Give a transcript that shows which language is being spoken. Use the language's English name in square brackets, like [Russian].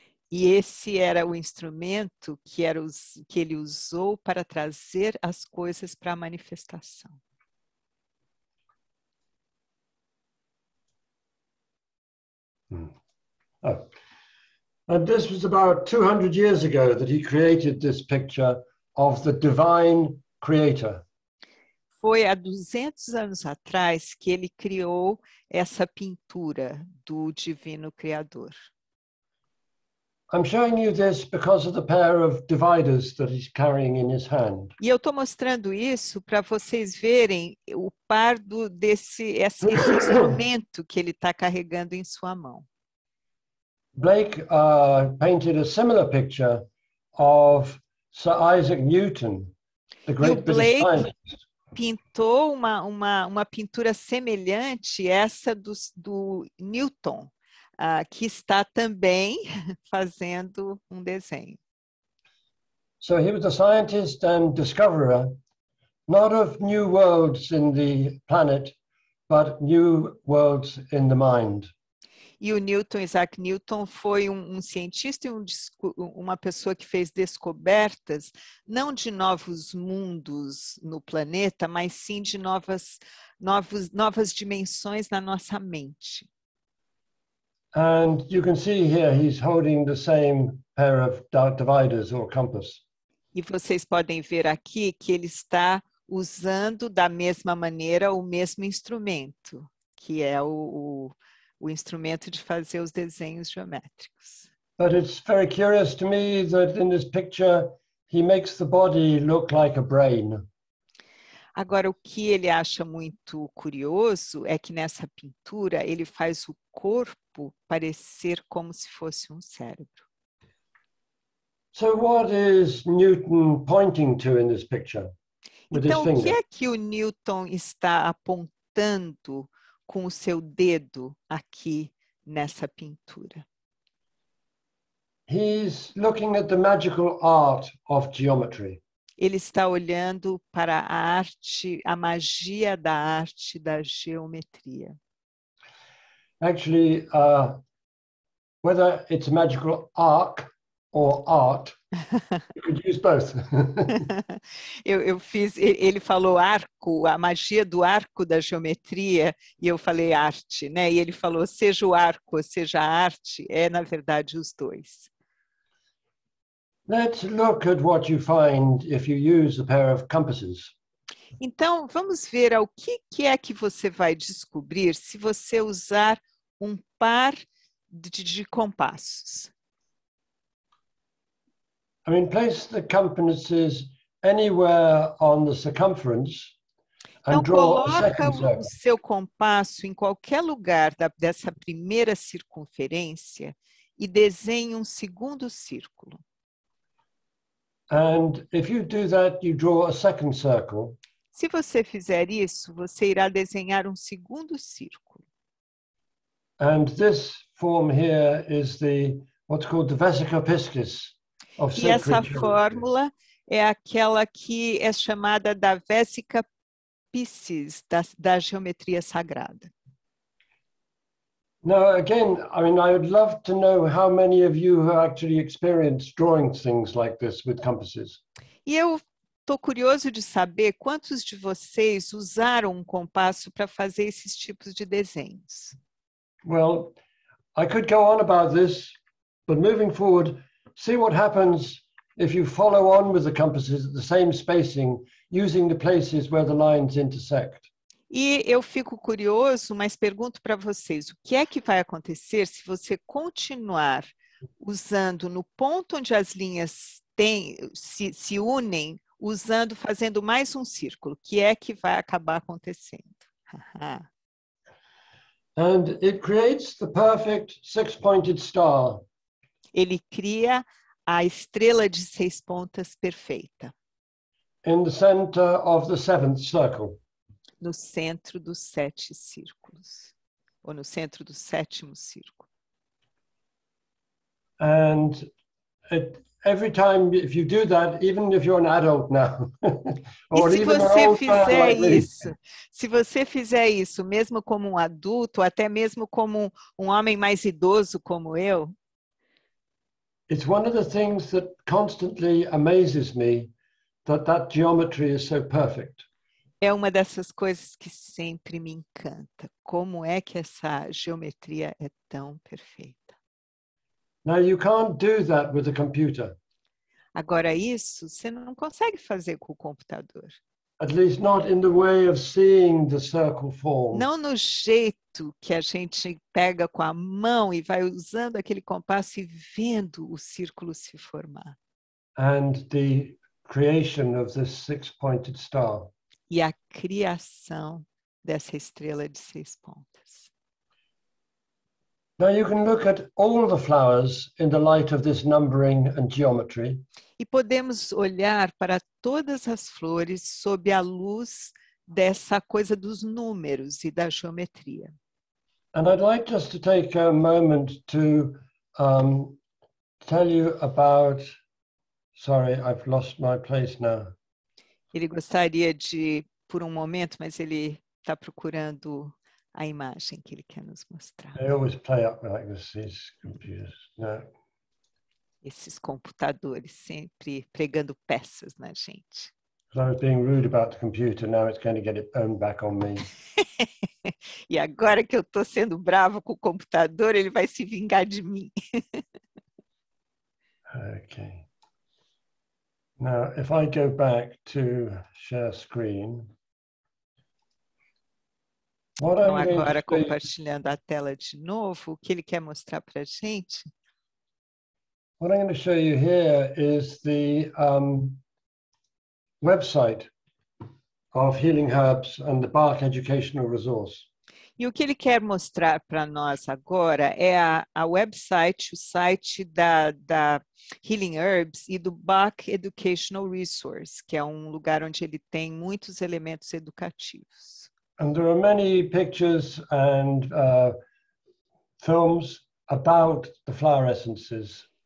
[Portuguese] E esse era o instrumento que ele usou para trazer as coisas para a manifestação. [English] And this was about 200 years ago that he created this picture of the divine creator. [Portuguese] Foi há 200 anos atrás que ele criou essa pintura do divino criador. [English] I'm showing you this because of the pair of dividers that he's carrying in his hand. [Portuguese] E eu estou mostrando isso para vocês verem o par desse instrumento que ele está carregando em sua mão. [English] Blake painted a similar picture of Sir Isaac Newton, the great British scientist. [Portuguese] Pintou uma pintura semelhante, essa do Newton, que está também fazendo um desenho. [English] So he was a scientist and discoverer, not of new worlds in the planet, but new worlds in the mind. [Portuguese] E o Isaac Newton foi um cientista e uma pessoa que fez descobertas, não de novos mundos no planeta, mas sim de novas dimensões na nossa mente. [English] And you can see here he's holding the same pair of dividers or compass. [Portuguese] E vocês podem ver aqui que ele está usando da mesma maneira o mesmo instrumento, que é o instrumento de fazer os desenhos geométricos. [English] But it's very curious to me that in this picture he makes the body look like a brain. [Portuguese] Agora, o que ele acha muito curioso é que nessa pintura ele faz o corpo parecer como se fosse um cérebro. [English] So what is Newton pointing to in this picture? [Portuguese] Então, o que é que o Newton está apontando com o seu dedo aqui nessa pintura? [English] He's looking at the magical art of geometry. [Portuguese] Ele está olhando para a arte, a magia da arte da geometria. [English] Actually, whether it's a magical arc or art, you could use both. [Portuguese] Ele falou arco, a magia do arco da geometria, e eu falei arte, né? E ele falou, seja o arco, seja a arte, é na verdade os dois. [English] Let's look at what you find if you use a pair of compasses. [Portuguese] Então, vamos ver ao que é que você vai descobrir se você usar um par de compassos. [English] I mean, place the compasses anywhere on the circumference and draw a second circle. [Portuguese] Coloca o seu compasso em qualquer lugar dessa primeira circunferência e desenhe um segundo círculo. [English] And if you do that, you draw a second circle. [Portuguese] Se você fizer isso, você irá desenhar um segundo círculo. [English] And this form here is what's called the vesica piscis. [Portuguese] E essa fórmula é aquela que é chamada da vesica piscis, da geometria sagrada. [English] Now, again, I mean, I would love to know how many of you have actually experienced drawing things like this with compasses. [Portuguese] E eu estou curioso de saber quantos de vocês usaram um compasso para fazer esses tipos de desenhos. [English] Well, I could go on about this, but moving forward, see what happens if you follow on with the compasses at the same spacing, using the places where the lines intersect. [Portuguese] E eu fico curioso, mas pergunto para vocês, o que é que vai acontecer se você continuar usando no ponto onde as linhas se unem, fazendo mais um círculo, o que é que vai acabar acontecendo? [English] And it creates the perfect six-pointed star. [Portuguese] Ele cria a estrela de seis pontas perfeita. [English] In the center of the seventh circle. [Portuguese] No centro dos sete círculos. Ou no centro do sétimo círculo. [English] And it, Every time, if you do that, even if you're an adult now, or even an old child like this. [Portuguese] Se você fizer isso, mesmo como um adulto, até mesmo como um homem mais idoso como eu. [English] It's one of the things that constantly amazes me, that geometry is so perfect. [Portuguese] É uma dessas coisas que sempre me encanta. Como é que essa geometria é tão perfeita? [English] Now you can't do that with a computer. [Portuguese] Agora isso, você não consegue fazer com o computador. [English] At least not in the way of seeing the circle form. [Portuguese] Não no jeito que a gente pega com a mão e vai usando aquele compasso e vendo o círculo se formar. [English] And the creation of this six-pointed star. [Portuguese] E a criação dessa estrela de seis pontas. [English] Now you can look at all the flowers in the light of this numbering and geometry. [Portuguese] E podemos olhar para todas as flores sob a luz dessa coisa dos números e da geometria. [English] And I'd like just to take a moment to tell you about... Sorry, I've lost my place now. [Portuguese] Ele gostaria de, por um momento, mas ele está procurando a imagem que ele quer nos mostrar. [English] I always play up like this, these computers. No. [Portuguese] Esses computadores sempre pregando peças na gente. [English] I was being rude about the computer, now it's going to get its own back on me. [Portuguese] E agora que eu estou sendo bravo com o computador, ele vai se vingar de mim. [English] Okay. Now, if I go back to share screen, what I'm going to [Portuguese] agora compartilhando a tela de novo, o que ele quer mostrar para a gente? [English] What I'm going to show you here is the website of Healing Herbs and the Bach Educational Resource. [Portuguese] E o que ele quer mostrar para nós agora é a website, o site da Healing Herbs e do Bach Educational Resource, que é um lugar onde ele tem muitos elementos educativos. [English] And there are many pictures and films about the flower essences.